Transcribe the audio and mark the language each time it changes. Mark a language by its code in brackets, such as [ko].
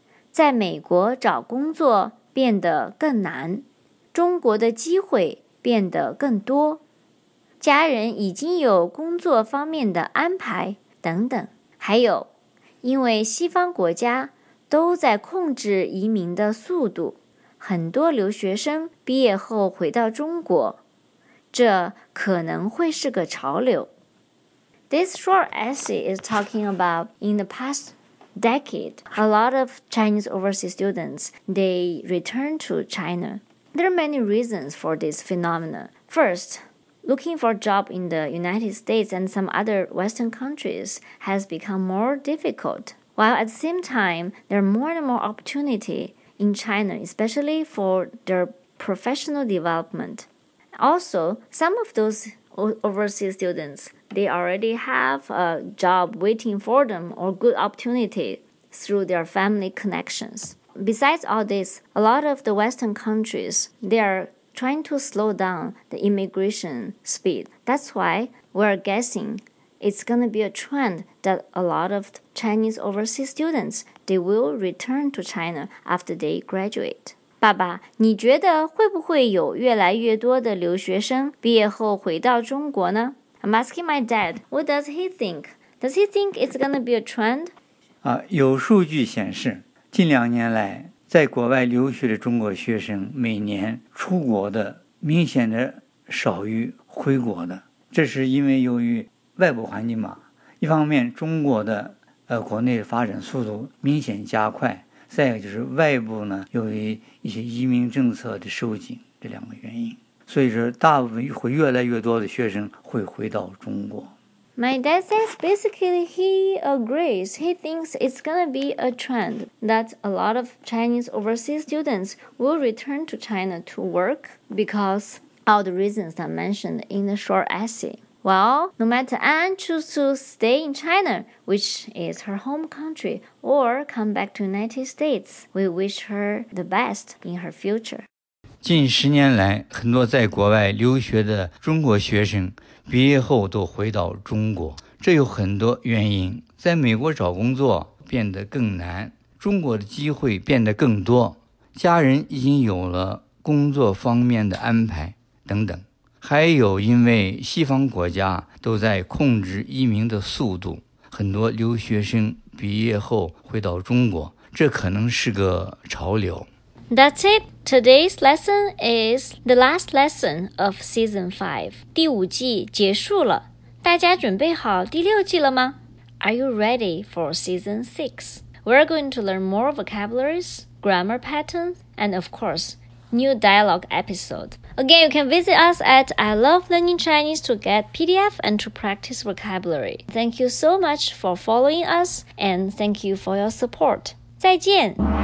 [zh] 在美国找工作变得更难，中国的机会变得更多，家人已经有工作方面的安排等等。还有，因为西方国家都在控制移民的速度，很多留学生毕业后回到中国，这可能会是个潮流。 [en] This short essay is talking about in the past decade, a lot of Chinese overseas students, they return to China. There are many reasons for this phenomenon. First, looking for a job in the United States and some other Western countries has become more difficult, while at the same time, there are more and more opportunity in China, especially for their professional development. Also, some of those overseas students, they already have a job waiting for them or good opportunity through their family connections. Besides all this, a lot of the Western countries, they are trying to slow down the immigration speed. That's why we're guessing it's going to be a trend that a lot of Chinese overseas students, they will return to China after they graduate. [zh] 爸爸，你觉得会不会有越来越多的留学生毕业后回到中国呢？ [en] I'm asking my dad, what does he think? Does he think it's going to be a trend? [zh] 有数据显示，近两年来，在国外留学的中国学生每年出国的明显的少于回国的，这是因为由于外部环境嘛。一方面，中国的国内发展速度明显加快，再一个就是外部呢，由于一些移民政策的收紧，这两个原因，所以说大部分会越来越多的学生会回到中国。 [en] My dad says basically he agrees. He thinks it's going to be a trend that a lot of Chinese overseas students will return to China to work because all the reasons I mentioned in the short essay. Well, no matter Anne chooses to stay in China, which is her home country, or come back to the United States, we wish her the best in her future. [zh] 近十年来，很多在国外留学的中国学生毕业后都回到中国，这有很多原因。在美国找工作变得更难，中国的机会变得更多，家人已经有了工作方面的安排等等。还有，因为西方国家都在控制移民的速度，很多留学生毕业后回到中国，这可能是个潮流。 [en] That's it. Today's lesson is the last lesson of season 5. [zh] 第五季结束了。大家准备好第六季了吗？ [en] Are you ready for season 6? We're going to learn more vocabularies, grammar patterns, and of course, new dialogue episode. Again, you can visit us at I Love Learning Chinese to get PDF and to practice vocabulary. Thank you so much for following us, and thank you for your support. [zh] 再见!